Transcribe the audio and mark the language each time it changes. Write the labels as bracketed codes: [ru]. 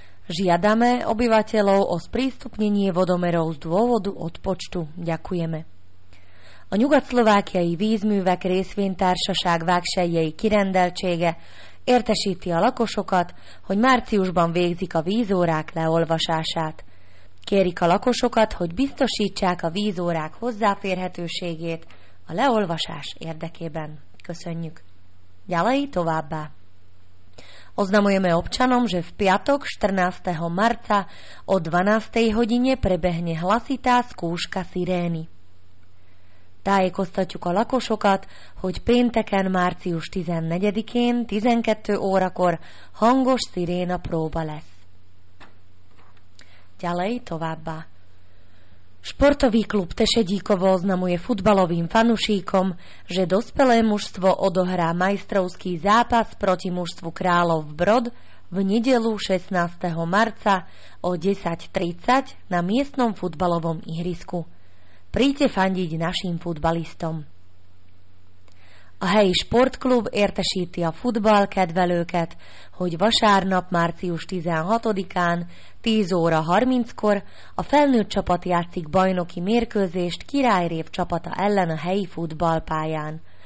[sk] Žiadame obyvateľov o sprístupnenie vodomerov z dôvodu odpočtu. Ďakujeme. [hu] A nyugat Slovákia i vízművek részvénytársaság vágsejjei kirendeltsége értesíti a lakosokat, hogy márciusban végzik a vízórák leolvasását. Kérik a lakosokat, hogy biztosítsák a vízórák hozzáférhetőségét a leolvasás érdekében. Köszönjük! [sk] Ďalej [hu] továbbá! [sk] Oznamujeme občanom, že v piatok 14. marca o 12. hodine prebehne hlasitá skúška sirény. [hu] Tájékoztatjuk a lakosokat, hogy pénteken március 14-én 12 órakor hangos siréna próba lesz. [sk] Ďalej [hu] továbbá. [sk] Sportový klub Tešedíkovo oznamuje futbalovým fanušíkom, že dospelé mužstvo odohrá majstrovský zápas proti mužstvu Králov Brod v nedeľu 16. marca o 10:30 na miestnom futbalovom ihrisku. Príďte fandiť našim futbalistom. [hu] A helyi sportklub értesíti a futball kedvelőket, hogy vasárnap március 16-án 10 óra 30-kor a felnőtt csapat játszik bajnoki mérkőzést Királyrév csapata ellen a helyi futballpályán.